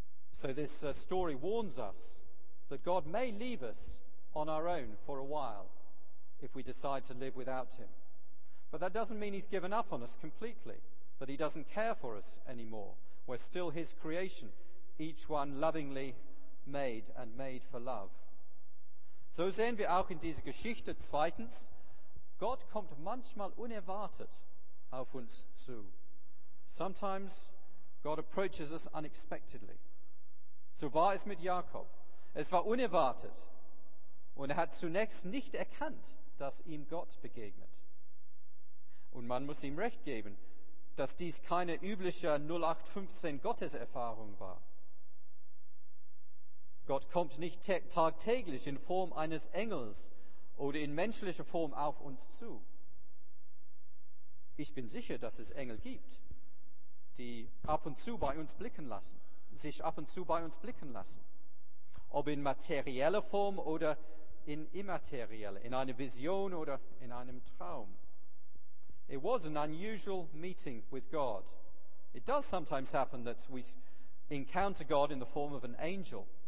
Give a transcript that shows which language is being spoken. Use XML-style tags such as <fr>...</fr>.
<en>So this story warns us that God may leave us on our own for a while if we decide to live without him. But that doesn't mean he's given up on us completely, that he doesn't care for us anymore. We're still his creation, each one lovingly made and made for love.</en> <de>So sehen wir auch in dieser Geschichte zweitens, Gott kommt manchmal unerwartet auf uns zu.</de> <en>Sometimes God approaches us unexpectedly.</en> <de>So war es mit Jakob. Es war unerwartet und er hat zunächst nicht erkannt, dass ihm Gott begegnet. Und man muss ihm recht geben, dass dies keine übliche 0815 Gotteserfahrung war. Gott kommt nicht tagtäglich in Form eines Engels oder in menschlicher Form auf uns zu. Ich bin sicher, dass es Engel gibt, die ab und zu bei uns blicken lassen, sich ab und zu bei uns blicken lassen. Ob in materieller Form oder in immaterieller, in einer Vision oder in einem Traum.</de> <en>It was an unusual meeting with God. It does sometimes happen that we encounter God in the form of an angel.</en>